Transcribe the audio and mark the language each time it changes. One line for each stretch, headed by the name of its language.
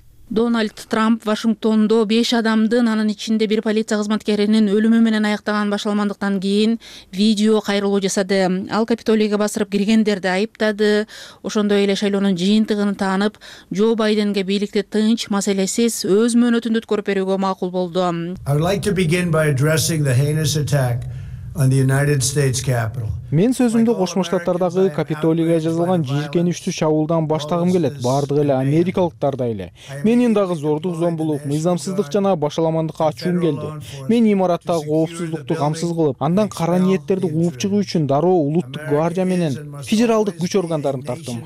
Kyrgyz: Дональд Трамп Вашингтондо 5 адамдын, анын ичинде бир полиция кызматкеринин өлүмү менен аяктаган башаламандыктан кийин видео кайрылуу жасады. Ал Капитолийге басырып киргендерди айыптады. Ошондой эле шайлоонун жыйынтыгын таанып, Джо Байденге бийликти тынч, маселесиз өз мөөнөтүндө өткөрүп берүүгө макул болду.
English: I would like to begin by addressing the heinous attack on the United States Capitol.
Kyrgyz: Мен сөзүмдү Кошмо Штаттардагы Капитолийге жазылган жийиркеничтүү чабуулдан баштагым келет. Бардык эле америкалыктардай эле. Менин дагы зордук, зомбулук, мыйзамсыздык жана башаламандыкка ачуум келди. Мен имараттагы коопсуздукту камсыз кылып, андан кара ниеттерди кууп чыгуу үчүн дароо улуттук гвардия менен федералдык күч органдарын тарттым.